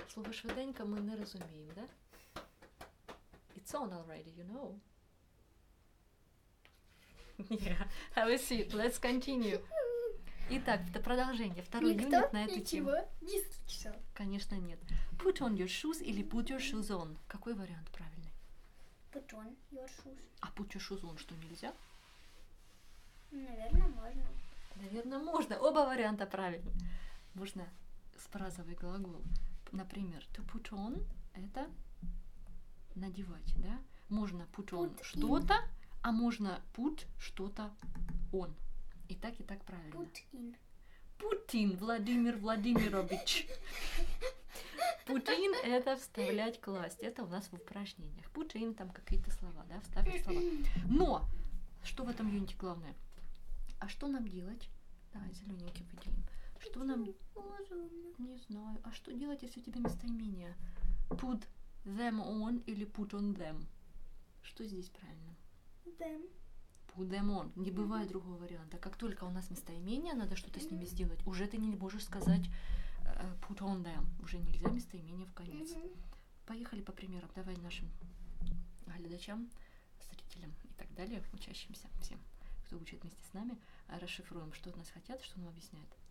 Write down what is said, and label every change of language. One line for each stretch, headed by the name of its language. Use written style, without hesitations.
Russian: Слово швиденько мы не разумеем, да?
English: It's on already, you know. Yeah, have a seat, let's continue.
Russian: Итак, это продолжение, второй никто юнит на эту ничего тему. Никто ничего не слышал. Конечно, нет.
English: Put on your shoes
Russian: или
English: put your shoes on.
Russian: Какой вариант правильный?
English: Put on your shoes.
Russian: А
English: put your shoes on
Russian: что, нельзя? Наверное, можно. Наверное, можно. Оба варианта правильны. Можно сфразовый глагол. Например, to put on – это надевать, да? Можно
English: put on put
Russian: что-то,
English: in.
Russian: А можно put что-то on. И так правильно.
English: Put in. Put in,
Russian: Владимир Владимирович. Put in – это вставлять, класть. Это у нас в упражнениях. Put in – там какие-то слова, да? Вставь слова. Но что в этом юните главное? А что нам делать? Давай зелененький выделим. Что нам? Не знаю. А что делать, если у тебя местоимение?
English: Put them on
Russian: или
English: put on them?
Russian: Что здесь правильно?
English: Them. Put them on.
Russian: Не бывает mm-hmm. другого варианта. Как только у нас местоимение, надо что-то с ними сделать. Уже ты не можешь сказать
English: put on them.
Russian: Уже нельзя местоимение в конец. Mm-hmm. Поехали по примерам. Давай нашим глядачам, зрителям и так далее, учащимся всем, кто учит вместе с нами, расшифруем, что от нас хотят, что нам объясняют.